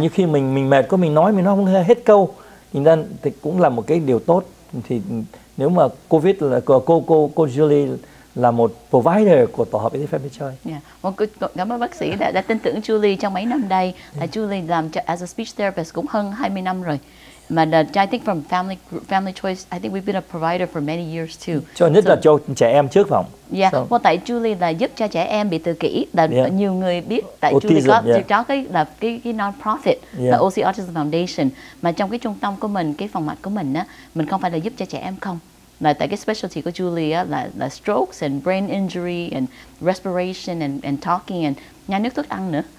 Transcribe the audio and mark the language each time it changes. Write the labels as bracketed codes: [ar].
[vi] Như khi mình mệt có mình nói không hết câu. Nên thì cũng là một cái điều tốt. Thì nếu mà COVID là cô Julie là một provider của tổ hợp Easy Family Choice. [en] Yeah. [vi] Cảm ơn bác sĩ đã tin tưởng Julie trong mấy năm đây. [en] Yeah. [vi] Julie làm [en] as a speech therapist [vi] cũng hơn 20 năm rồi. [en] But I think from Family Choice, I think we've been a provider for many years too. [vi] Cho nhất là cho trẻ em trước phòng. [en] Yeah, so. [vi] Well, tại Julie là giúp cho trẻ em bị tự kỷ, là nhiều người biết tại [en] autism, [vi] Julie có [en] yeah. [vi] cho cái non-profit, là OC Autism Foundation. Mà trong cái trung tâm của mình, cái phòng mạch của mình á, mình không phải là giúp cho trẻ em không. Là tại cái specialty của Julie á, là [en] strokes and brain injury and respiration and talking and [vi] nhai nước thức ăn nữa.